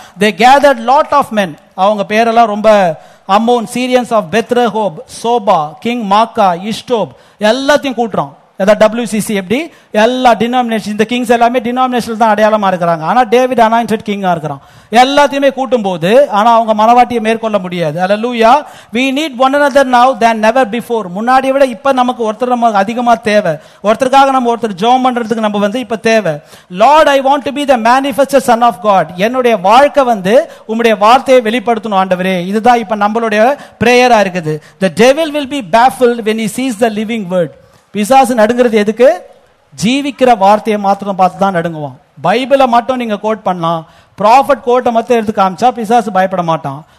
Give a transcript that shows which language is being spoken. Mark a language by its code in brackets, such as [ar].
[en] They gathered lot of men. [ta] அவங்க பேரெல்லாம் ரொம்ப, Ammon, சீரியன்ஸ் of பெத்ரஹோப், sofa, king maca, இஷ்டோப், எல்லாத்தையும் கூட்டுறான். அதாவது டபிள்யூசிசி எப்படி எல்லா டினாமினேஷன், இந்த கிங்ஸ் எல்லாமே டினாமினேஷன் தான் அடையாளமா இருக்கிறாங்க, ஆனா டேவிட் அனாயின்ட் கிங்கா இருக்கிறான். எல்லாத்தையுமே கூட்டும் போது ஆனா அவங்க மனவாட்டியை மேற்கொள்ள முடியாது. Hallelujah. [en] We need one another now than never before. [ta] முன்னாடி விட இப்ப நமக்கு ஒருத்தர் நமக்கு அதிகமா தேவை. ஒருத்தருக்காக நம்ம ஒருத்தர் ஜெபம் பண்றதுக்கு நம்ம வந்து இப்ப தேவை. [en] Lord, I want to be the manifested son of God. [ta] என்னுடைய வாழ்க்கை வந்து உம்முடைய வார்த்தையை வெளிப்படுத்தணும் ஆண்டவரே. இதுதான் இப்ப நம்மளுடைய பிரேயரா இருக்குது. [en] The devil will be baffled when he sees the living word. [ta] பிசாசு நடுங்கிறது எதுக்கு, ஜீவிக்கிற வார்த்தையை மாத்திரம் பார்த்து தான் நடுங்குவான். பைபிளை மட்டும் நீங்க கோட் பண்ணலாம், ப்ராஃபட் கோட்டை மட்டும் எடுத்து காமிச்சா பிசாசு பயப்பட மாட்டான்.